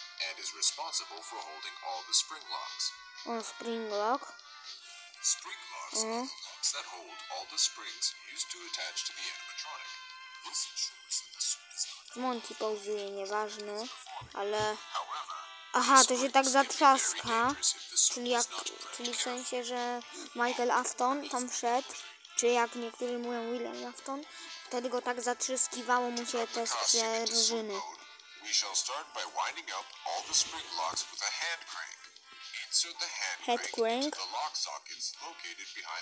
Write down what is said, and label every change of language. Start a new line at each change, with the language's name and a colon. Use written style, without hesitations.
English: And is responsible for holding all the spring locks. Oh, spring lock. Spring locks are the locks that hold all the springs used to attach to the animatronic. This ensures that the suit is not.
Polish: Monty pauzuje, nieważne, ale. Aha, to się tak zatrzaska. Czyli w sensie, że Michael Afton tam wszedł, czy jak niektórzy mówią William Afton, wtedy go tak zatrzyskiwało mu się te sprężyny.
English: We shall start by winding up all the spring locks with a hand crank. Insert the hand crank into the lock sockets located behind